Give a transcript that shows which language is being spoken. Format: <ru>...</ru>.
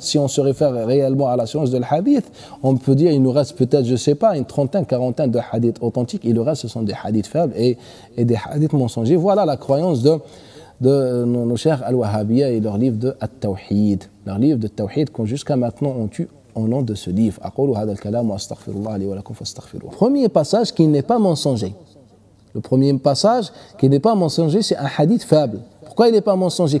<fr>Si on se réfère réellement à la science de l'hadith, on peut dire qu'il nous reste peut-être, je ne sais pas, une trentaine, quarantaine de hadiths authentiques. Et le reste, ce sont des hadiths faibles et des hadiths mensongers. Voilà la croyance de nos chers al-Wahhabiyya et leur livre de Tawhid. Leur livre de Tawhid qu'on jusqu'à maintenant ont eu au nom de ce livre.</fr> <ar>أقول هذا الكلام واستغفر الله لي ولكم فاستغفروه.</ar> <fr>Premier passage qui n'est pas mensonger. Le premier passage qui n'est pas mensonger, c'est un hadith faible. Pourquoi il n'est pas mensonger?</fr>